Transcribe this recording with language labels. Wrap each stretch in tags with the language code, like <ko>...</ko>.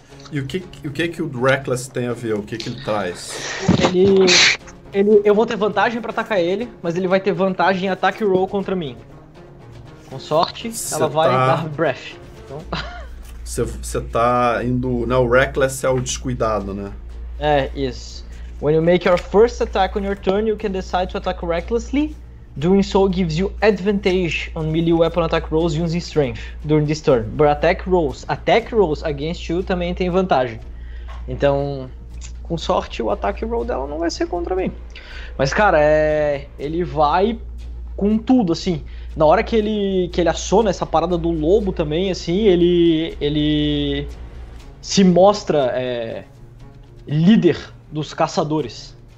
<pt>E o que Reckless tem a ver? O que que ele traz? Eu vou ter vantagem pra atacar ele, mas ele vai ter vantagem em ataque roll contra mim. Com sorte, cê ela vai dar breath. Você então... tá indo... Não, o reckless é o descuidado, né? É, isso.</pt> <en>When you make your first attack on your turn, you can decide to attack recklessly. Doing so gives you advantage on melee weapon attack rolls using strength during this turn. But attack rolls against you</en> <pt>também tem vantagem. Então, com sorte, o attack roll dela não vai ser contra mim. Mas, cara, ele vai com tudo, assim. Na hora que ele aciona essa parada do lobo também, assim, ele se mostra líder dos caçadores.</pt>